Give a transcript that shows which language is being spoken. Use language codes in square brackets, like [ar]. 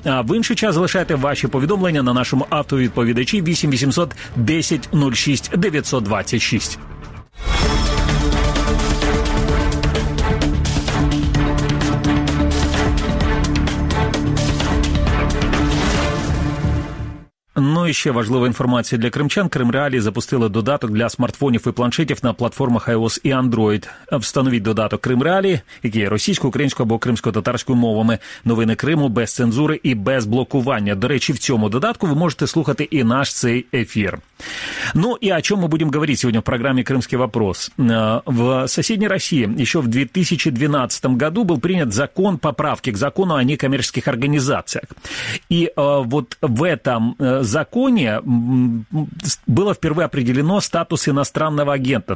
[uk] А в інший час залишайте ваші повідомлення на нашому автовідповідачі 8 800 10 06 926. Ну і ще важлива інформація для кримчан. Крим Реалі запустили додаток для смартфонів і планшетів на платформах iOS і Android. Встановіть додаток Крим Реалі, який є російською, українською або кримсько-татарською мовами. Новини Криму без цензури і без блокування. До речі, в цьому додатку ви можете слухати і наш цей ефір. [ru] Ну і о чем мы будем говорить сегодня в программе «Крымский вопрос». В соседней России еще в 2012 году был принят закон, поправки к закону о некоммерческих организациях. И вот в этом законе было впервые определено статус иностранного агента.